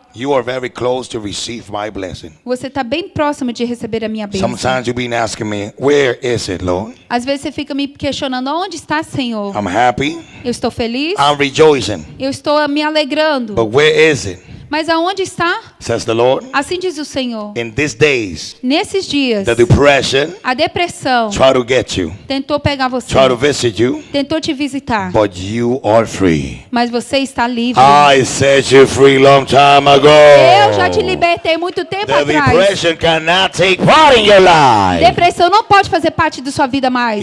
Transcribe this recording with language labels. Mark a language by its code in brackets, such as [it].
[en] You are very close to receive my blessing. [pt] Você está bem próximo de receber a minha bênção. [en] Sometimes you've been asking me, where is it, Lord? [pt] Às vezes você fica me questionando, onde está, Senhor? [en] I'm happy. [pt] Eu estou feliz. [en] I'm rejoicing. [pt] Eu estou me alegrando. [en] But where is it? [pt] Mas aonde está? [en] Says the Lord. [pt] Assim diz o Senhor. [en] In these days. [pt] Nesses dias. [en] The depression. [pt] A depressão. [en] Try to get you. [pt] Tentou pegar você. [en] Try to visit you. [pt] Tentou te visitar. [en] But you are free. [pt] Mas você está livre. [en] I set you free long time ago. [pt] Eu já te libertei muito tempo [en] the [pt] atrás. [en] The depression cannot take part in your life. [pt] Depressão não pode fazer parte da sua vida mais.